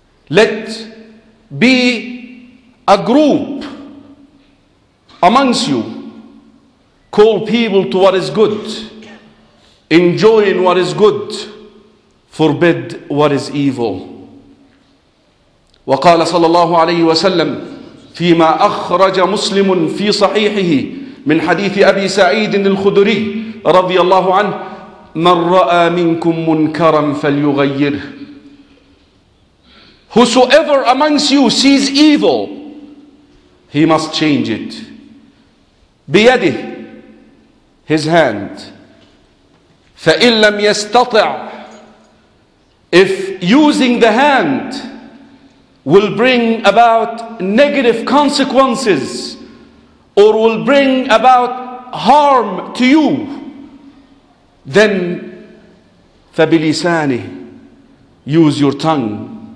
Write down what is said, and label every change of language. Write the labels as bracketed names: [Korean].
[English] Let be a group amongst you, call people to what is good, enjoy what is good, forbid what is evil. [Arabic] وقال صلى الله عليه وسلم فيما أخرج مسلم في صحيحه من حديث أبي سعيد الخدري رضي الله عنه من رأى منكم منكرا فليغيره. [English] Whosoever amongst you sees evil, he must change it. [Arabic] بيده, [English] his hand. [Arabic] فإن لم يستطع, [English] if using the hand will bring about negative consequences or will bring about harm to you, then [Arabic] فبلسانه, [English] use your tongue.